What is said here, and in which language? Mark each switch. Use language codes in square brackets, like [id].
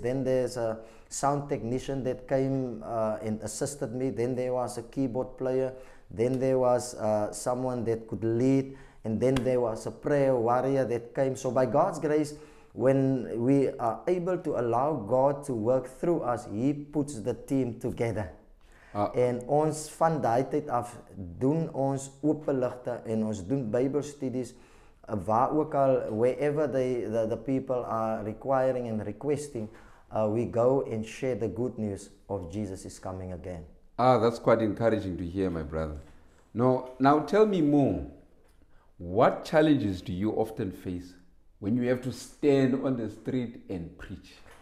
[en] Then there's a sound technician that came and assisted me. Then there was a keyboard player. Then there was someone that could lead. And then there was a prayer warrior that came. So by God's grace, when we are able to allow God to work through us, He puts the team together. [af] And ons van daai tyd af doen ons openligte en ons doen Bybelstudies. Waar ook al, [en] wherever the people are requiring and requesting, we go and share the good news of Jesus is coming again. Ah, that's quite encouraging to hear, my brother. Now tell me more. What challenges do you often face when you have to stand on the street and preach?